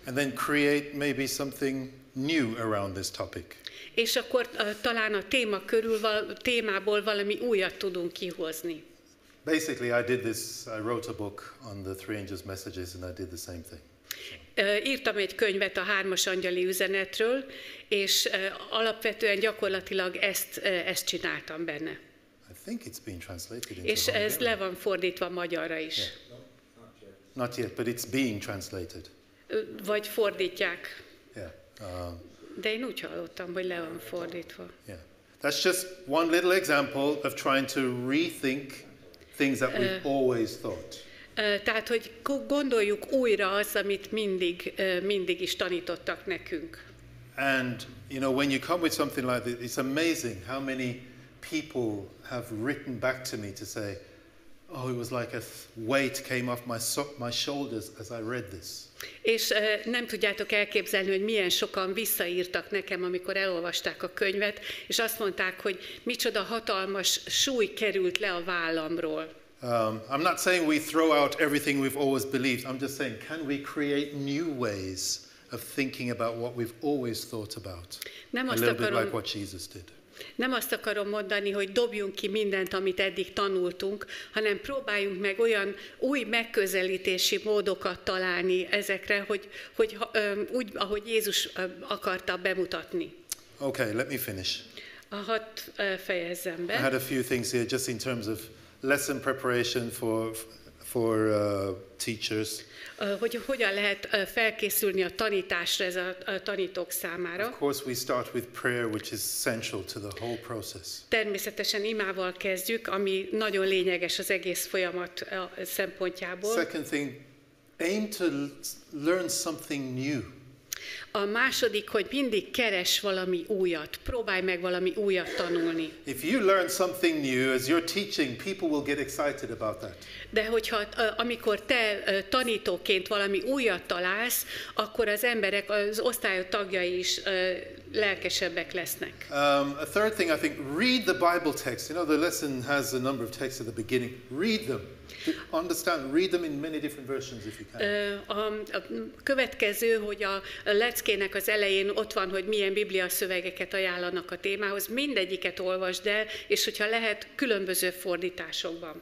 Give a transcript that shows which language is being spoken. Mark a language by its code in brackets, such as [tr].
[en] And then create maybe something new around this topic. [hu] És akkor talán a téma körül témából valami újat tudunk kihozni. [en] Basically, I did this. I wrote a book on the three angels' messages, and I did the same thing. [hu] Írtam egy könyvet a hármas angyali üzenetről, és alapvetően gyakorlatilag ezt csináltam benne. [en] I think it's been translated into [hu] és ez le van fordítva magyarra is. [en] Not yet, but it's being translated. [hu] Vagy fordítják. [en] Yeah. [hu] De én úgy hallottam, hogy le van fordítva. [en] Yeah. That's just one little example of trying to rethink things that we've always thought. [hu] Tehát, hogy gondoljuk újra azt, amit mindig is tanítottak nekünk. [en] And you know, when you come with something like this, it's amazing how many people have written back to me to say, oh, it was like a weight came off my shoulders as I read this. [hu] És nem tudjátok elképzelni, hogy milyen sokan visszaírtak nekem, amikor elolvasták a könyvet, és azt mondták, hogy micsoda hatalmas súly került le a vállamról. [en] I'm not saying we throw out everything we've always believed. I'm just saying, can we create new ways of thinking about what we've always thought about? [hu] Nem [en] a [hu] azt [en] little [hu] akarom, [en] bit like what Jesus did. [hu] Nem azt akarom mondani, hogy dobjunk ki mindent, amit eddig tanultunk, hanem próbáljunk meg olyan új megközelítési módokat találni ezekre, hogy úgy, ahogy Jézus akarta bemutatni. [en] Okay, let me finish. [hu] Hadd fejezzem be. [en] I had a few things here just in terms of lesson preparation for teachers. [hu] Hogy hogyan lehet felkészülni a tanításra ez a tanítók számára? [en] Of course we start with prayer, which is central to the whole process. [hu] Természetesen imával kezdjük, ami nagyon lényeges az egész folyamat szempontjából. [en] Second thing, aim to learn something new. [hu] A második, hogy mindig keres valami újat, próbálj meg valami újat tanulni. [en] If you learn something new as you're teaching, people will get excited about that. [hu] De hogyha amikor te tanítóként valami újat találsz, akkor az emberek, az osztályod tagjai is lelkesebbek lesznek. [en] A third thing, I think, read the Bible text. You know, the lesson has a number of texts at the beginning. Read them. Understand, read them in many different versions if you can. [hu] A következő, hogy a leckének az elején ott van, hogy milyen biblia szövegeket ajánlanak a témához, mindegyiket olvasd el, és hogyha lehet, különböző fordításokban.